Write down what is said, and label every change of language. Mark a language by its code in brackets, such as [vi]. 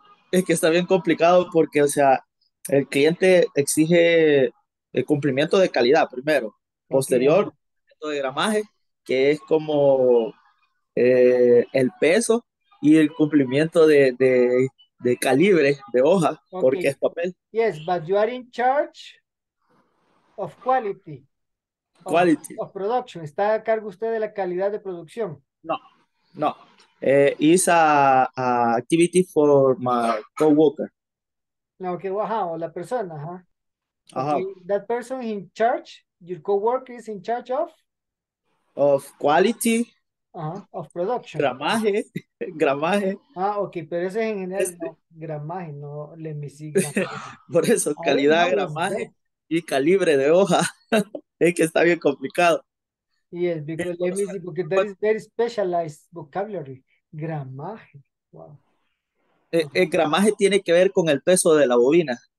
[es] Es que está bien complicado porque, o sea, el cliente exige el cumplimiento de calidad primero. Posterior, cumplimiento de gramaje, que es como el peso y el cumplimiento de de calibre de hoja, okay, porque es papel. [en] Yes, but you are in charge of quality. Quality. Of production. [es] ¿Está a cargo usted de la calidad de producción? [en] No, no. It's a activity for my co-worker. Okay, well, how? [es] La persona, [en] huh? Uh-huh. Okay, that person in charge, your co-worker is in charge of? Of quality. Uh-huh, of production. [es] Gramaje, gramaje. Ah, ok, pero ese es en general, este... no, gramaje, no le me sigue. Por eso, calidad, ay, gramaje y calibre de hoja. Es que está bien complicado. [en] Yes, because let me see, because there is very specialized vocabulary. [es] Gramaje, wow. El gramaje tiene que ver con el peso de la bobina.